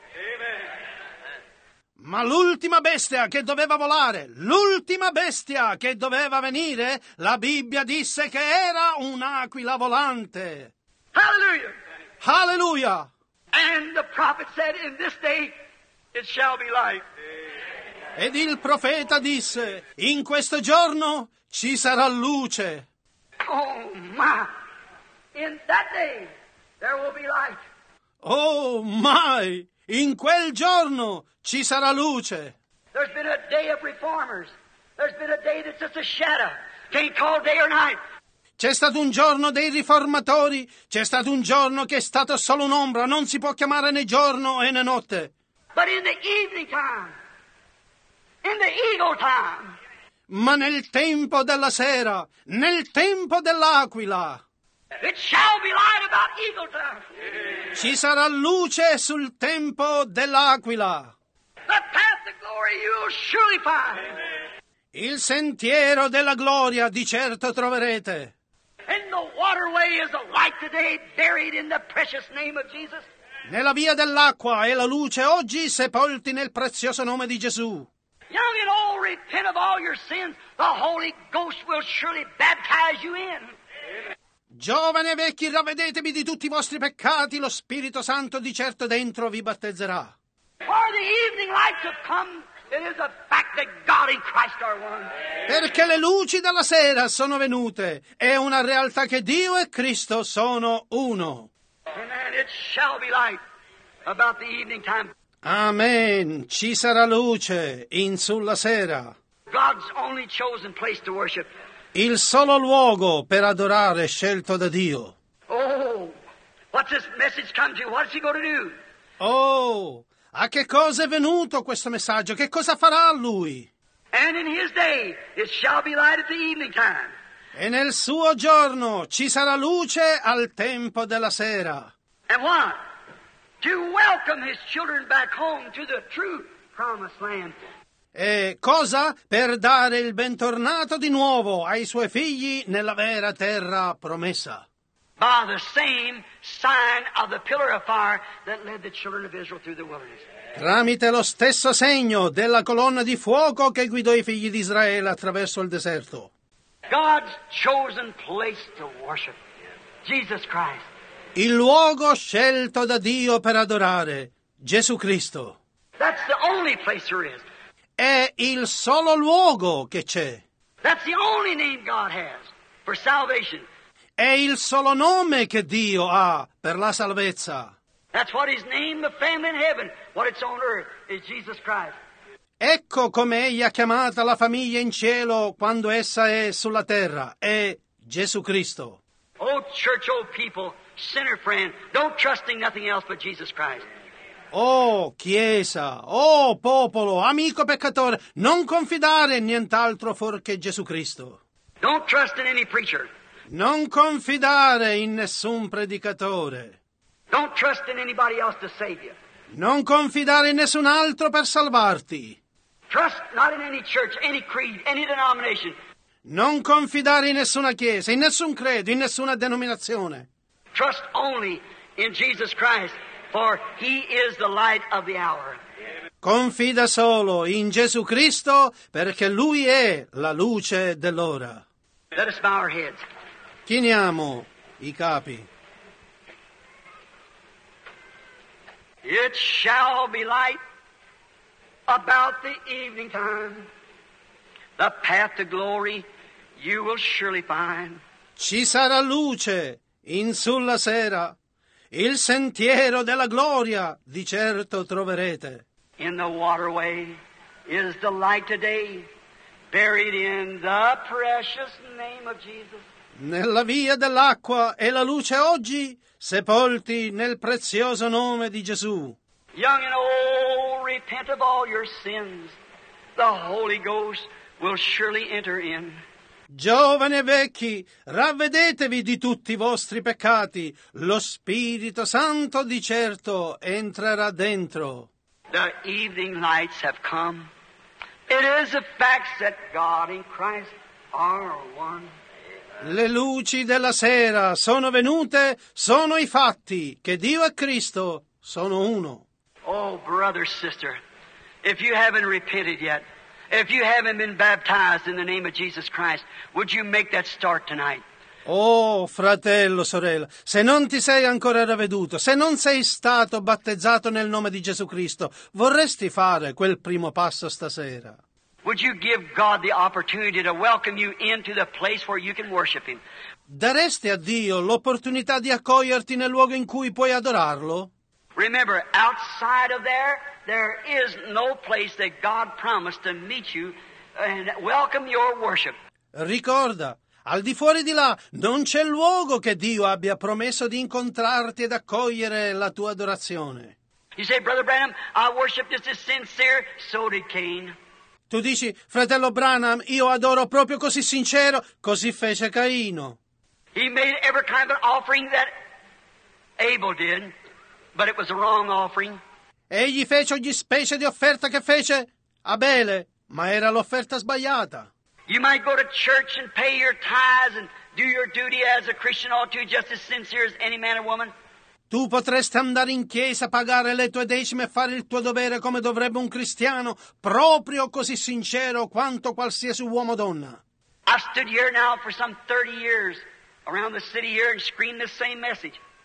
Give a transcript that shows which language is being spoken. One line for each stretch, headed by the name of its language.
English: Amen.
Italian: Ma l'ultima bestia che doveva volare, l'ultima bestia che doveva venire, la Bibbia disse che era un'aquila volante.
English: Hallelujah. Hallelujah. And the prophet said in this day it shall be like.
Italian: Ed il profeta disse, in questo giorno ci sarà luce.
English: Oh my, in that day there will be light.
Italian: Oh my, in quel giorno ci sarà luce.
English: There's been a day of reformers. There's been a day that's just a shadow. Can't call day or night.
Italian: C'è stato un giorno dei riformatori. C'è stato un giorno che è stato solo un'ombra. Non si può chiamare né giorno e né notte.
English: But in the evening time, in the eagle time,
Italian: ma nel tempo della sera, nel tempo dell'aquila,
English: it shall be light about eagle time.
Italian: Ci sarà luce sul tempo dell'aquila.
English: The path of glory you will surely find. Amen.
Italian: Il sentiero della gloria di certo troverete.
English: And the waterway is the light today buried in the precious name of Jesus.
Italian: Nella via dell'acqua è la luce oggi sepolti nel prezioso nome di Gesù.
English: Young and old, repent of all your sins, the Holy Ghost will surely baptize you in.
Italian: Giovani e vecchi, ravvedetevi di tutti i vostri peccati, lo Spirito Santo di certo dentro vi battezzerà.
English: For the evening lights have come, it is a fact that God and Christ are one.
Italian: Perché le luci della sera sono venute, è una realtà che Dio e Cristo sono uno.
English: Amen, it shall be light about the evening time.
Italian: Amen, ci sarà luce in sulla sera.
English: God's only chosen place to worship.
Italian: Il solo luogo per adorare scelto da Dio.
English: Oh, what's this message come to? What's he going to do?
Italian: Oh, a che cosa è venuto questo messaggio? Che cosa farà lui?
English: And in his day it shall be light at the evening time.
Italian: E nel suo giorno ci sarà luce al tempo della sera.
English: And what? To welcome his children back home to the true promised land.
Italian: E cosa? Per dare il bentornato di nuovo ai suoi figli nella vera terra promessa.
English: By the same sign of the pillar of fire that led the children of Israel through the wilderness.
Italian: Tramite lo stesso segno della colonna di fuoco che guidò i figli di Israele attraverso il deserto.
English: God's chosen place to worship, Jesus Christ.
Italian: Il luogo scelto da Dio per adorare, Gesù Cristo.
English: That's the only place there is.
Italian: È il solo luogo che c'è.
English: That's the only name God has for salvation.
Italian: È il solo nome che Dio ha per la salvezza.
English: That's what he's named the family in heaven. What it's on earth is Jesus Christ.
Italian: Ecco come egli ha chiamata la famiglia in cielo quando essa è sulla terra. È Gesù Cristo.
English: Oh, church, oh, people, sinner friend, don't trust in nothing else but Jesus Christ.
Italian: Oh, chiesa, oh, popolo, amico peccatore, non confidare in nient'altro fuorché Gesù Cristo.
English: Don't trust in any preacher.
Italian: Non confidare in nessun predicatore.
English: Don't trust in anybody else to save you.
Italian: Non confidare in nessun altro per salvarti.
English: Trust not in any church, any creed, any denomination.
Italian: Non confidare in nessuna chiesa, in nessun credo, in nessuna denominazione.
English: Trust only in Jesus Christ, for he is the light of the hour.
Italian: Confida solo in Gesù Cristo, perché Lui è la luce dell'ora.
English: Let us bow our heads.
Italian: Chiniamo i capi.
English: It shall be light about the evening time. The path to glory you will surely find.
Italian: Ci sarà luce in sulla sera. Il sentiero della gloria di certo troverete.
English: In the waterway is the light today, buried in the precious name of Jesus.
Italian: Nella via dell'acqua è la luce oggi, sepolti nel prezioso nome di Gesù.
English: Young and old, repent of all your sins. The Holy Ghost will surely enter in.
Italian: Giovani e vecchi, ravvedetevi di tutti i vostri peccati. Lo Spirito Santo di certo entrerà dentro.
English: The evening lights have come. It is a fact that God and Christ are one.
Italian: Le luci della sera sono venute, sono i fatti che Dio e Cristo sono uno.
English: Oh, brother, sister, if you haven't repented yet, if you haven't been baptized in the name of Jesus Christ, would you make that start tonight?
Italian: Oh, fratello, sorella, se non ti sei ancora ravveduto, se non sei stato battezzato nel nome di Gesù Cristo, vorresti fare quel primo passo stasera?
English: Would you give God the opportunity to welcome you into the place where you can worship Him?
Italian: Daresti a Dio l'opportunità di accoglierti nel luogo in cui puoi adorarlo?
English: Remember, outside of there, there is no place that God promised to meet you and welcome your worship.
Italian: Ricorda, al di fuori di là non c'è luogo che Dio abbia promesso di incontrarti ed accogliere la tua adorazione.
English: You say, Brother Branham, I worship just as sincere, so did Cain.
Italian: Tu dici, fratello Branham, io adoro proprio così sincero, così fece Caino.
English: He made every kind of offering that Abel did, but it was the wrong offering.
Italian: Egli fece ogni specie di offerta che fece Abele, ma era l'offerta sbagliata.
English: You might go to church and pay your tithes and do your duty as a Christian ought to, just as sincere as any man or woman.
Italian: Tu potresti andare in chiesa, pagare le tue decime e fare il tuo dovere come dovrebbe un cristiano, proprio così sincero quanto qualsiasi uomo o donna.
English: I stood here now for some 30 years around the city here and screamed the same message.